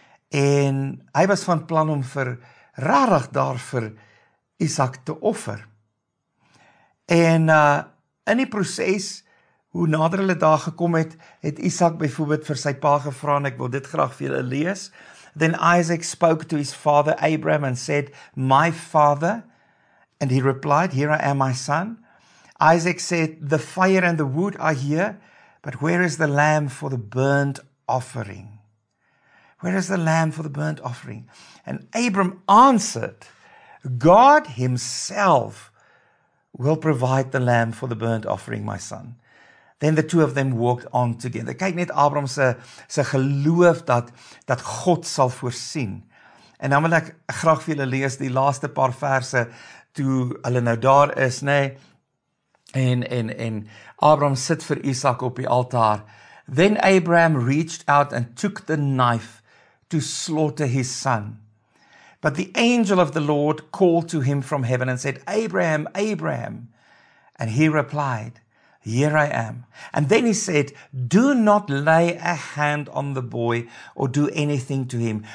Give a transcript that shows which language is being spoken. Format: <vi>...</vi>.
<af>En hy was van plan om vir rarig daar vir Isak te offer. En in die proses, hoe nader hulle daar gekom het, het Isak byvoorbeeld vir sy pa gevra, en ek wil dit graag vir julle lees.</af> <en>Then Isaac spoke to his father Abraham and said, my father, and he replied, here I am my son. Isaac said, the fire and the wood are here, but where is the lamb for the burnt offering? Where is the lamb for the burnt offering? And Abram answered, God himself will provide the lamb for the burnt offering, my son. Then the two of them walked on together.</en> <af>Kyk net Abram se geloof dat God sal voorsien. En dan wil ek graag vir julle lees die laaste paar verse toe hulle nou daar is, nê? Nee? En Abram sit vir Isak op die altaar.</af> <en>Then Abram reached out and took the knife to slaughter his son. But the angel of the Lord called to him from heaven and said, Abraham, Abraham. And he replied, here I am. And then he said, do not lay a hand on the boy or do anything to him.</en>